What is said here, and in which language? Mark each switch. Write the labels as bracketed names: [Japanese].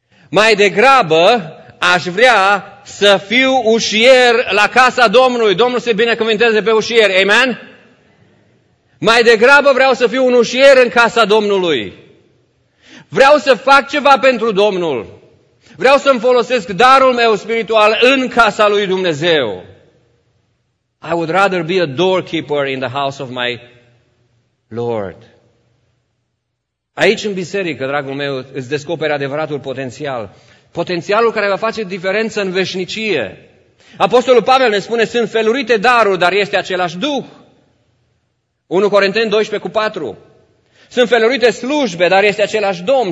[Romanian] Mai degrabă aș vrea să fiu ușier la casa Domnului. Domnul se binecuvinteze pe ușier. Amen? Mai degrabă vreau să fiu un ușier în casa Domnului. Vreau să fac ceva pentru Domnul. Vreau să-mi folosesc darul meu spiritual în casa lui Dumnezeu. [English] I would rather be a doorkeeper in the house of my Lord. [Romanian] Aici în biserică, dragul meu, îți descoperi adevăratul potențial. Potențialul care va face diferență în veșnicie. Apostolul Pavel ne spune, sunt felurite daruri, dar este același Duh. 1 Corinteni 12:4. Sunt felurite slujbe, dar este același Domn.